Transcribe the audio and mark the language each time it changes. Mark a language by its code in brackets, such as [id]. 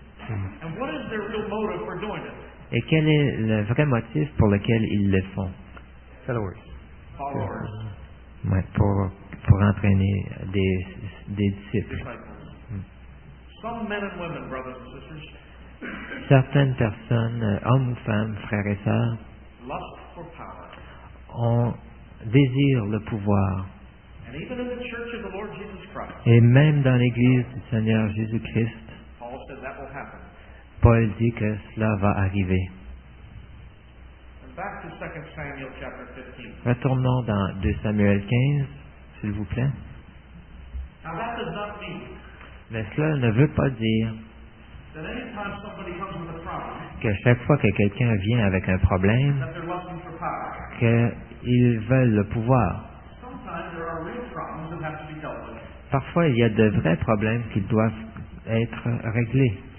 [en] And what is their real motive for doing it? [fr] Et quel est le vrai motif pour lequel ils le font? [en] Followers. Followers. [fr] Ouais, pour entraîner des disciples. [en] Some men and women, brothers and sisters. [fr] Certaines personnes, hommes ou femmes, frères et sœurs, [en] lust for power. [fr] Ont désir le pouvoir. [en] And even in the church of the Lord Jesus Christ. [fr] Et même dans l'église du Seigneur Jésus-Christ, [en] Paul said that will happen. [fr] Paul dit que cela va arriver. [en] Back to 2 Samuel chapter 15. [fr] Retournons dans 2 Samuel 15, s'il vous plaît. [en] Now that does not mean, [fr] mais cela ne veut pas dire [en] that anytime somebody comes with a problem, [fr] que chaque fois que quelqu'un vient avec un problème, [en] that they're lusting for power. [fr] Qu'ils veulent le pouvoir. [en] Sometimes there are real problems that have to be dealt with. [fr] Parfois, il y a de vrais problèmes qui doivent être réglés.